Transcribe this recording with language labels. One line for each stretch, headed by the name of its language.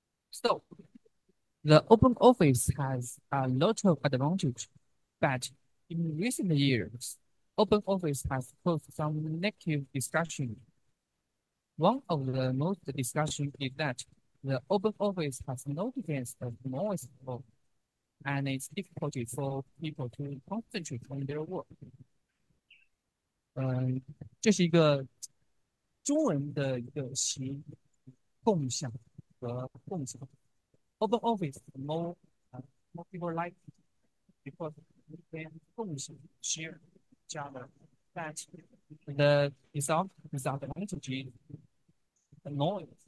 English: So, the open office has a lot of advantages, but in recent years, open office has caused some negative discussion. One of the most discussion is that the open office has no defense of noise problem, and it's difficult for people to concentrate on their work.
Chinese: 这是一个中文的一个词，共享和共享。
English: Open office more people like it because we can 共享 share each other. But the disadvantage is noise.